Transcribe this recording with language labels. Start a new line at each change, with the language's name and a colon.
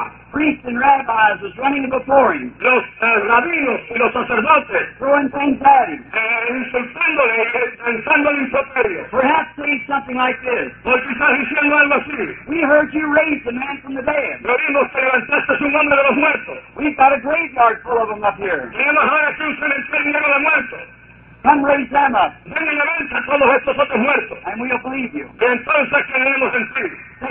English: Priests and rabbis was running before him.
Spanish: Los rabinos y los sacerdotes.
English: Throwing things at him.
Spanish: Insultándole, lanzándole improperio.
English: Perhaps saying something like this.
Spanish: O quizás diciendo algo así.
English: We heard you raise a man from the dead.
Spanish: Lo vimos que levantaste un hombre de los muertos.
English: We've got a graveyard full of them up here.
Spanish: Tenemos ahora aquí un cementerio lleno de muertos.
English: Come raise them up.
Spanish: Ven y levanta todos estos otros muertos.
English: And we'll believe you.
Spanish: Y entonces creeremos en ti.